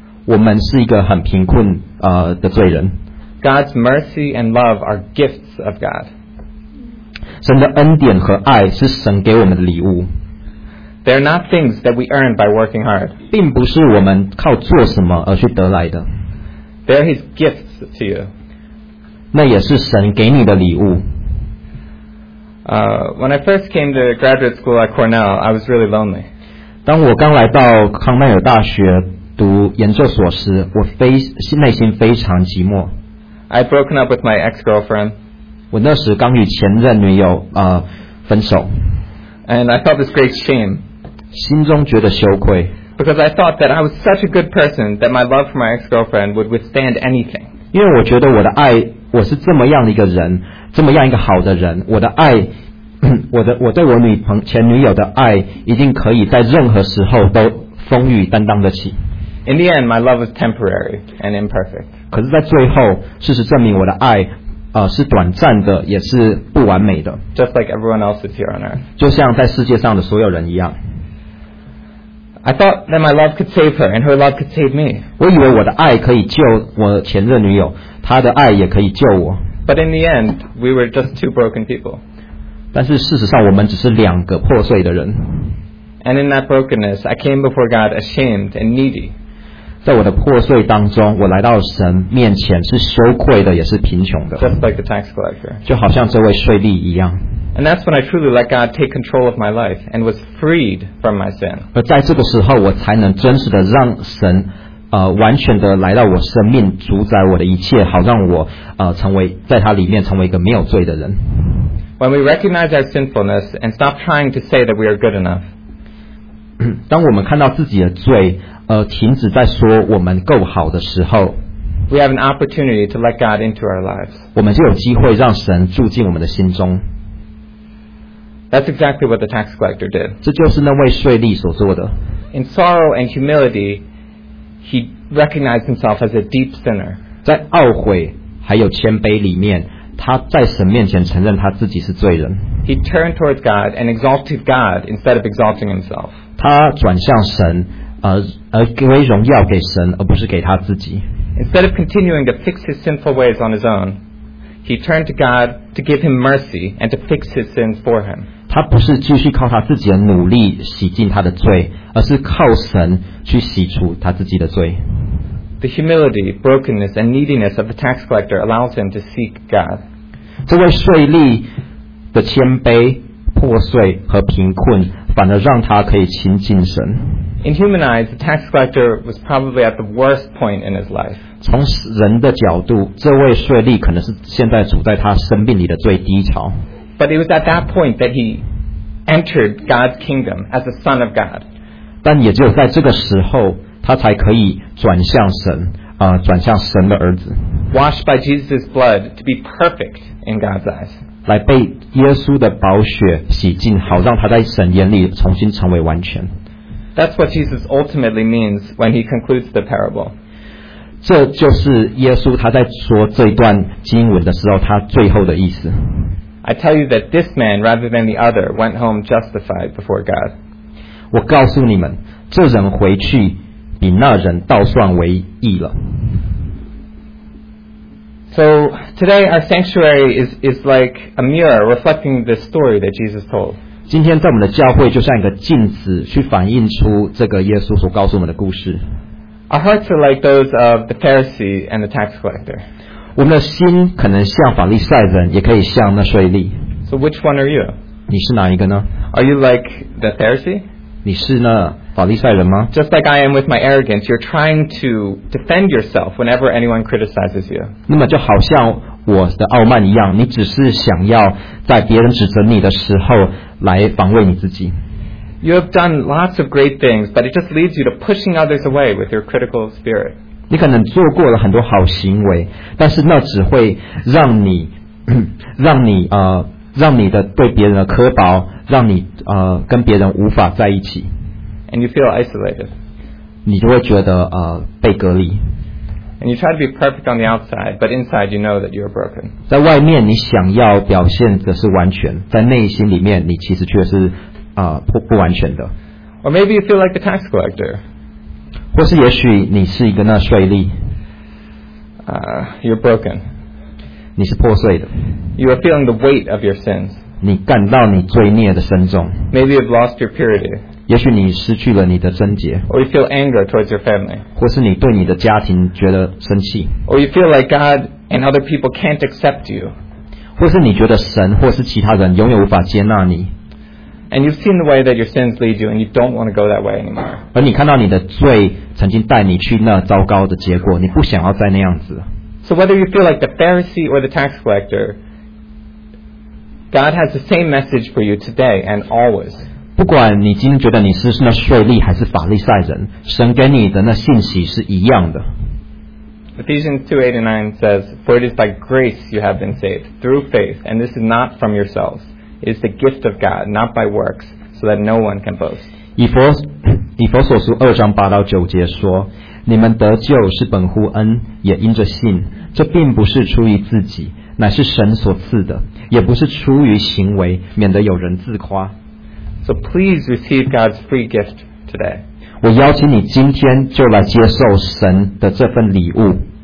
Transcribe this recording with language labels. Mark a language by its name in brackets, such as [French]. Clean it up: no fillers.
[Chinese] 我们是一个很贫困的罪人。 [English] God's mercy and love are gifts of God. [Chinese] 神的恩典和爱是神给我们的礼物。 [English] They are not things that we earn by working hard. [Chinese] 并不是我们靠做什么而去得来的。 [English] They are His gifts to you. [Chinese] 那也是神给你的礼物。 [English] When I first came to graduate school at Cornell, I was really lonely. [Chinese] 当我刚来到康奈尔大学读研究所时，我内心非常寂寞。 [English] I had broken up with my ex-girlfriend. [Chinese] 我那时刚与前任女友分手。 [English] And I felt this great shame. [Chinese] 心中觉得羞愧。 [English] Because I thought that I was such a good person that my love for my ex-girlfriend would withstand anything. [Chinese] 因为我觉得我的爱，我是这么样的一个人，这么样一个好的人，我的爱，我对我前女友的爱，一定可以在任何时候都风雨担当得起。 [English] In the end, my love was temporary and imperfect. [Chinese] 可是在最后，事实证明我的爱是短暂的，也是不完美的。 [English] Just like everyone else is here on earth. [Chinese] 就像在世界上的所有人一样。 [English] I thought that my love could save her, and her love could save me. [Chinese] 我以为我的爱可以救我前任女友，她的爱也可以救我。 [English] But in the end, we were just two broken people. [Chinese] 但是事实上，我们只是两个破碎的人。 [English] And in that brokenness, I came before God ashamed and needy. [Chinese] 在我的破碎当中，我来到神面前是羞愧的，也是贫穷的。 [English] Just like the tax collector. [Chinese] 就好像这位税吏一样。 [English] And that's when I truly let God take control of my life and was freed from my sin. [Chinese] 而在这个时候，我才能真实的让神完全的来到我生命，主宰我的一切，好让我成为在他里面成为一个没有罪的人。 [English] When we recognize our sinfulness and stop trying to say that we are good enough. [Chinese] 当我们看到自己的罪停止在说我们够好的时候， [English] We have an opportunity to let God into our lives. [Chinese] 我们就有机会让神住进我们的心中。 [English] That's exactly what the tax collector did. [Chinese] 这就是那位税吏所做的。 [English] In sorrow and humility, he recognized himself as a deep sinner. [Chinese] 在懊悔还有谦卑里面，他在神面前承认他自己是罪人。 [English] He turned towards God and exalted God instead of exalting himself. [Chinese] 他转向神而归荣耀给神，而不是给他自己。 [English] Instead of continuing to fix his sinful ways on his own, he turned to God to give him mercy and to fix his sins for him. [Chinese] 他不是继续靠他自己的努力洗净他的罪，而是靠神去洗除他自己的罪。 [English] The humility, brokenness, and neediness of the tax collector allows him to seek God. [Chinese] 这位税吏的谦卑、破碎和贫困，反而让他可以亲近神。 [English] In human eyes, the tax collector was probably at the worst point in his life. [Chinese] 从人的角度，这位税吏可能是现在处在他生命里的最低潮。 [English] But it was at that point that he entered God's kingdom as a son of God. [Chinese] 但也只有在这个时候，他才可以转向神，转向神的儿子。 [English] Washed by Jesus' blood to be perfect in God's eyes. [Chinese] 来被耶稣的宝血洗净，好让他在神眼里重新成为完全。 [English] That's what Jesus ultimately means when he concludes the parable. [Chinese] 这就是耶稣他在说这段经文的时候他最后的意思。 [English] I tell you that this man, rather than the other, went home justified before God. [Chinese] 我告诉你们，这人回去比那人倒算为义了。 [English] So today our sanctuary is like a mirror reflecting the story that Jesus told. [Chinese] 今天在我们的教会就像一个镜子，去反映出这个耶稣所告诉我们的故事。 [English] Our hearts are like those of the Pharisee and the tax collector. [Chinese] 我们的心可能像法利赛人，也可以像那税吏。 [English] So which one are you? [Chinese] 你是哪一个呢？ [English] Are you like the Pharisee? [Chinese] 你是呢？法利赛人吗？ [English] Just like I am with my arrogance, you're trying to defend yourself whenever anyone criticizes you. [Chinese] 那么就好像我的傲慢一样，你只是想要在别人指责你的时候来防卫你自己。 [English] You have done lots of great things, but it just leads you to pushing others away with your critical spirit. [Chinese] 你可能做过了很多好行为，但是那只会让你让你的对别人的苛薄，让你跟别人无法在一起。 [English] And you feel isolated. [Chinese] 你就会觉得被隔离。 [English] And you try to be perfect on the outside, but inside you know that you are broken. [Chinese] 在外面你想要表现的是完全，在内心里面你其实却是不完全的。 [English] Or maybe you feel like the tax collector. [Chinese] 或是也许你是一个那税吏。 [English] You're broken. [Chinese] 你是破碎的。 [English] You are feeling the weight of your sins. [Chinese] 你感到你罪孽的深重。 [English] Maybe you've lost your purity. [Chinese] 也许你失去了你的贞洁， [English] or you feel anger towards your family, [Chinese] 或是你对你的家庭觉得生气， [English] or you feel like God and other people can't accept you, [Chinese] 或是你觉得神或是其他人永远无法接纳你， [English] and you've seen the way that your sins lead you, and you don't want to go that way anymore. [Chinese] 而你看到你的罪曾经带你去那糟糕的结果，你不想要再那样子。 [English] So whether you feel like the Pharisee or the tax collector, God has the same message for you today and always. [Chinese] 不管你今天觉得你是那税吏还是法利赛人，神给你的那信息是一样的。 [English] Ephesians 2:8-9 says, "For it is by grace you have been saved through faith, and this is not from yourselves; it is the gift of God, not by works, so that no one can boast." [Chinese] 以弗所书二章八到九节说：“你们得救是本乎恩，也因着信。这并不是出于自己，乃是神所赐的；也不是出于行为，免得有人自夸。” [English] So please receive God's free gift today. [Chinese] 我邀请你今天就来接受神的这份礼物。